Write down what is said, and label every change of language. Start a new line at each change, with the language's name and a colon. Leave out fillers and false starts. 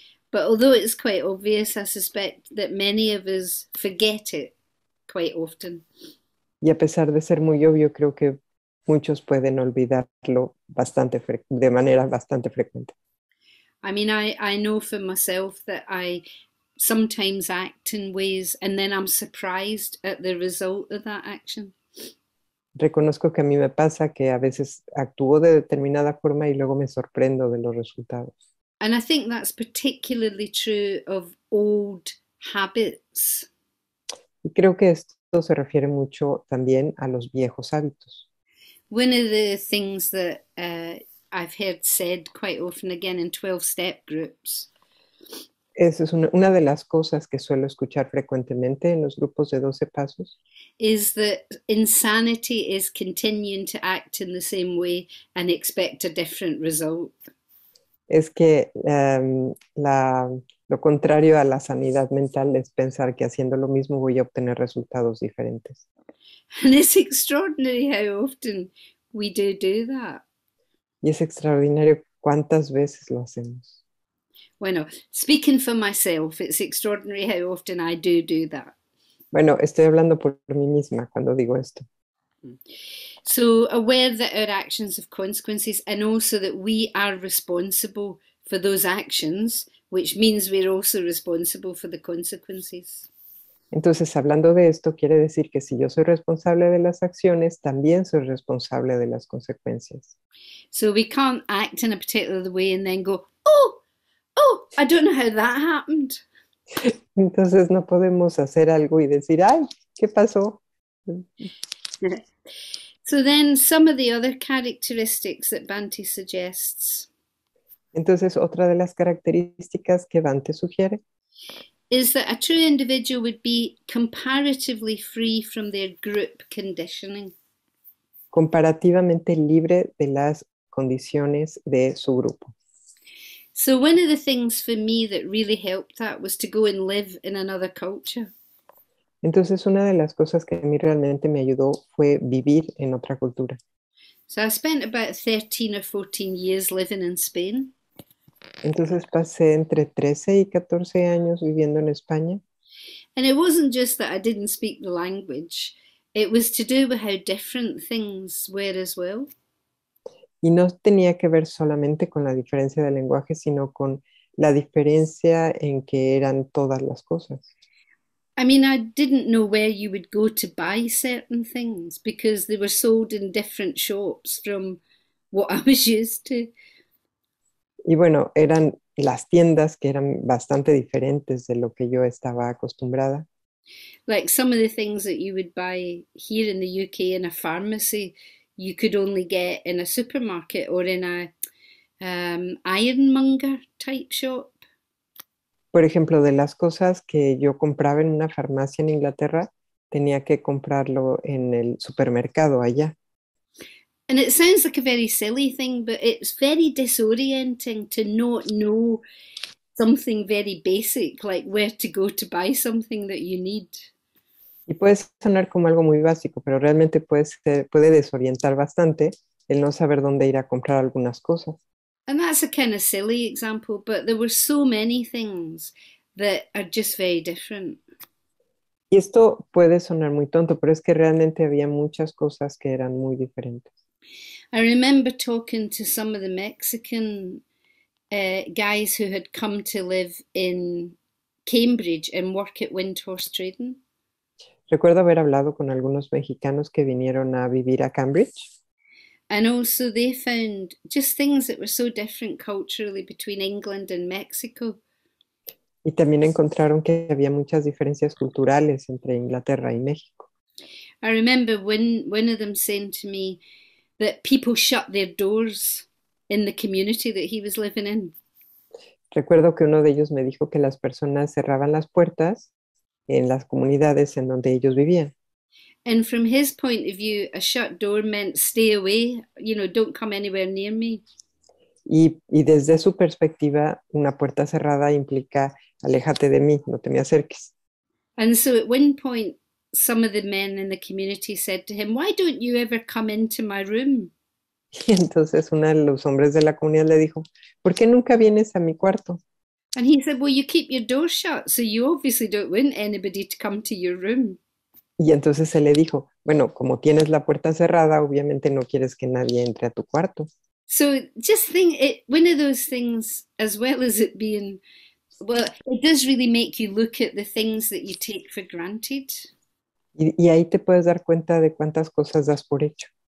English: but although it's quite obvious, I suspect that many of us forget it quite often.
Spanish: Y a pesar de ser muy obvio, creo que muchos pueden olvidarlo de manera bastante frecuente.
English: I mean, I know for myself that I sometimes act in ways and then I'm surprised at the result of that action.
Spanish: Reconozco que a mí me pasa que a veces actúo de determinada forma y luego me sorprendo de los resultados.
English: And I think that's particularly true of old habits.
Spanish: Y creo que esto se refiere mucho también a los viejos hábitos.
English: One of the things that I've heard said quite often again in 12-step groups
Spanish: Esa es una de las cosas que suelo escuchar frecuentemente en los grupos de 12 pasos.
English: Is that insanity is continuing to act in the same way and expect a different result.
Spanish: Es que lo contrario a la sanidad mental es pensar que haciendo lo mismo voy a obtener resultados diferentes.
English: And it's extraordinary how often we do that.
Spanish: Y es extraordinario cuántas veces lo hacemos.
English: Bueno, speaking for myself, it's extraordinary how often I do that.
Spanish: Bueno, estoy hablando por mí misma cuando digo esto.
English: So aware that our actions have consequences and also that we are responsible for those actions, which means we're also responsible for the consequences.
Spanish: Entonces, hablando de esto, quiere decir que si yo soy responsable de las acciones, también soy responsable de las consecuencias.
English: So we can't act in a particular way and then go, oh, I don't know how that happened.
Spanish: Entonces no podemos hacer algo y decir, ay, ¿qué pasó?
English: So then some of the other characteristics that Bhante suggests
Spanish: Entonces, otra de las características que Dante sugiere.
English: is that a true individual would be comparatively free from their group conditioning.
Spanish: Comparativamente libre de las condiciones de su grupo.
English: So one of the things for me that really helped that was to go and live in another culture.
Spanish: Entonces, una de las cosas que a mí realmente me ayudó fue vivir en otra cultura.
English: So I spent about 13 or 14 years living in Spain.
Spanish: Entonces, pasé entre 13 y 14 años viviendo en España.
English: And it wasn't just that I didn't speak the language, it was to do with how different things were as well.
Spanish: Y no tenía que ver solamente con la diferencia del lenguaje, sino con la diferencia en que eran todas las cosas.
English: I mean, I didn't know where you would go to buy certain things because they were sold in different shops from what I was used to.
Spanish: Y bueno, eran las tiendas que eran bastante diferentes de lo que yo estaba acostumbrada.
English: Like some of the things that you would buy here in the UK in a pharmacy, you could only get in a supermarket or in a ironmonger type shop.
Spanish: Por ejemplo, de las cosas que yo compraba en una farmacia en Inglaterra, tenía que comprarlo en el supermercado allá.
English: And it sounds like a very silly thing, but it's very disorienting to not know something very basic, like where to go to buy something that you need.
Spanish: Y puede sonar como algo muy básico, pero realmente puede desorientar bastante el no saber dónde ir a comprar algunas cosas.
English: And that's a kind of silly example, but there were so many things that are just very different.
Spanish: Y esto puede sonar muy tonto, pero es que realmente había muchas cosas que eran muy diferentes.
English: I remember talking to some of the Mexican guys who had come to live in Cambridge and work at Windhorse Trading.
Spanish: Recuerdo haber hablado con algunos mexicanos que vinieron a vivir a Cambridge.
English: And also they found just things that were so different culturally between England and Mexico.
Spanish: Y también encontraron que había muchas diferencias culturales entre Inglaterra y México.
English: I remember one of them saying to me that people shut their doors in the community that he was living in.
Spanish: Recuerdo que uno de ellos me dijo que las personas cerraban las puertas en las comunidades en donde ellos vivían.
English: And from his point of view, a shut door meant stay away, don't come anywhere near me.
Spanish: Y desde su perspectiva, una puerta cerrada implica aléjate de mí, no te me acerques.
English: And so at one point, some of the men in the community said to him, "Why don't you ever come into my room?"
Spanish: Y entonces uno de los hombres de la comunidad le dijo, ¿por qué nunca vienes a mi cuarto?
English: And he said, "Well, you keep your door shut, so you obviously don't want anybody to come to your room."
Spanish: Y entonces se le dijo, bueno, como tienes la puerta cerrada, obviamente no quieres que nadie entre a tu cuarto.
English: So just think it, one of those things, as well as it being, well, it does really make you look at the things that you take for granted.
Spanish: Y ahí te puedes dar cuenta de cuántas cosas das por hecho.